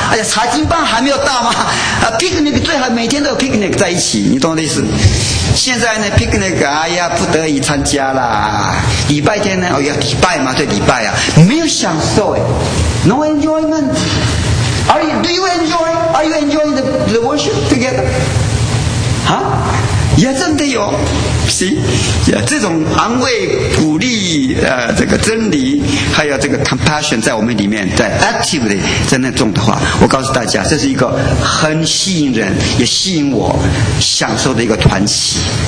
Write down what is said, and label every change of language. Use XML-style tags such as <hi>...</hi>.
<zh>哎呀，查经班还没有到吗？啊 ，picnic 最好每天都有 picnic 在一起，你懂我的意思？现在呢 ，picnic 哎呀不得已参加啦。礼拜天呢，哦呀，礼拜嘛，对，礼拜啊，没有享受哎 ，</zh> <en>no enjoyment。 Are you, do you enjoy? Are you enjoying the worship together? Huh? Yeah,</en> <zh>真的有。</zh> <en>See?</en> <zh>Yeah, 这种安慰、鼓励、这个真理，还有这个 compassion 在我们里面，在 actively 在那种的话，我告诉大家，这是一个很吸引人，也吸引我享受的一个团契。</zh>